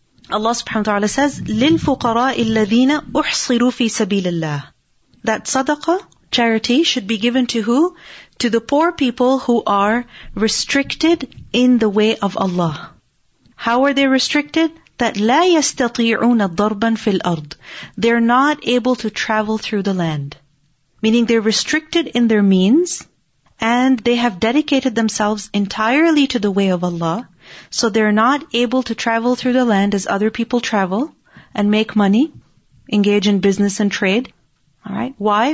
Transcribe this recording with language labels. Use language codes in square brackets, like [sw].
[en] Allah subhanahu wa ta'ala says, [ar] لِلْفُقَرَاءِ الَّذِينَ أُحْصِرُوا فِي سَبِيلِ اللَّهِ. [en] That sadaqah, charity, should be given to who? To the poor people who are restricted in the way of Allah. How are they restricted? That [ar] لا يستطيعون ضربا في الأرض. [en] They're not able to travel through the land. Meaning they're restricted in their means, and they have dedicated themselves entirely to the way of Allah, so they're not able to travel through the land as other people travel, and make money, engage in business and trade. All right? Why?